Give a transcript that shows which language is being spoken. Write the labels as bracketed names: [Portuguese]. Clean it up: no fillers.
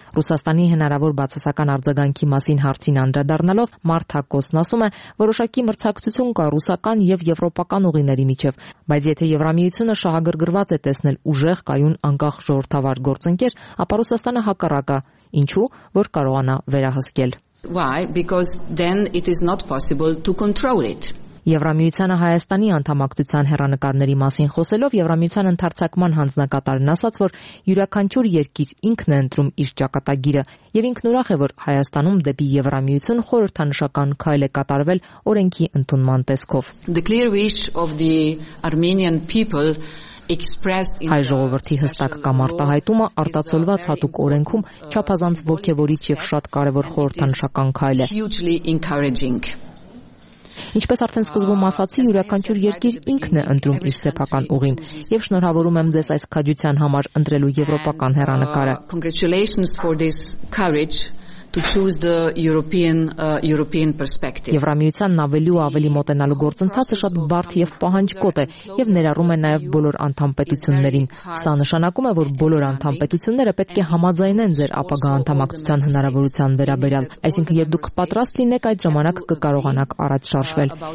[Armenian] Ռուսաստանի հնարավոր բացասական արձագանքի մասին հարցին անդրադառնալով Մարթակոսն ասում է, որոշակի մրցակցություն կա ռուսական եւ եվրոպական ուղիների միջեւ, բայց եթե Եվրամիությունը շահագրգռված է տեսնել ուժեղ կայուն անկախ ժողովրդավար գործընկեր, ապա Ռուսաստանը հակառակը, ինչու՞, որ կարողանա վերահսկել. [English] Why? Because then it is not possible to control it. [Armenian] Եվրամիությանը Հայաստանի անդամակցության հեռանկարների մասին խոսելով Եվրամիության ընդարձակման հանձնակատարն ասաց, որ յուրաքանչյուր երկիր ինքն է ընտրում իր ճակատագիրը, եւ ինքն ուրախ է, որ Հայաստանում դեպի Եվրամիություն խորհրդանշական քայլ է կատարվել օրենքի ընդունման տեսքով. [English] The clear wish of the Armenian people [Armenian] Հայ ժողովրդի հստակ կամ արտահայտումը արտացոլված հատուկ օրենքում չափազանց ոգևորիչ եւ շատ կարեւոր խորհրդանշական քայլ է. Ինչպես արդեն սկզբում ասացի, յուրաքանչյուր երկիր ինքն է ընտրում իր սեփական ուղին, եւ շնորհավորում եմ ձեզ այս քաջության համար ընտրելու եվրոպական հերանակարը. [English] Congratulations for this courage to choose the European perspective. [Armenian] Եվրամիության ավելի ու ավելի մոտենալու գործընթացը շատ բարդ եւ պահանջկոտ է եւ ներառում է նաեւ բոլոր անդամ պետություններին։ Սա նշանակում է, որ բոլոր անդամ պետությունները պետք է համաձայնեն ձեր ապագա անդամակցության հնարավորության վերաբերյալ, այսինքն երբ դուք պատրաստ լինեք, այդ ժամանակ կկարողանաք առաջ շարժվել,